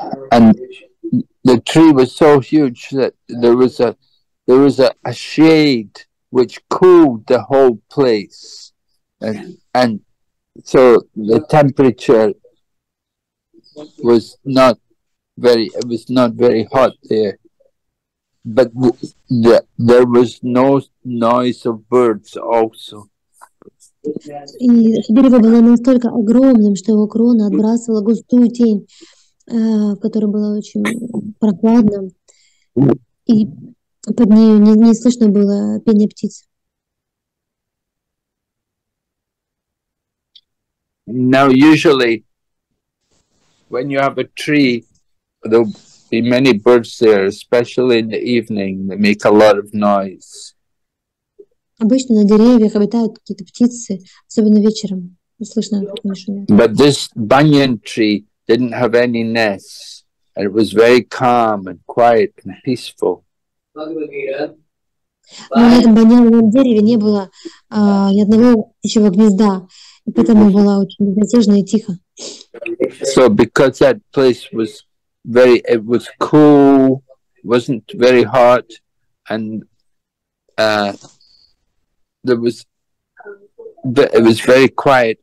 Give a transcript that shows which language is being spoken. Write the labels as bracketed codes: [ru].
[en] And the tree was so huge that there was a shade which cooled the whole place, and so the temperature was not very, it was not very hot there. But there was no noise of birds also. [ru] И дерево было настолько огромным, что его крона отбрасывала густую тень, в которой было очень прохладно, и под нею не слышно было пения птиц. [en] Now, usually, when you have a tree, there'll be many birds there, especially in the evening. They make a lot of noise. [ru] Обычно на деревьях обитают какие-то птицы, особенно вечером. Слышно, они шумят. [en] But this banyan tree didn't have any nests, and it was very calm and quiet and peaceful. [ru] Но на этом баньяновом дереве не было ни одного птичьего гнезда, и поэтому было очень безмятежно и тихо. [en] So because that place was very, it was cool, wasn't very hot, and it was very quiet.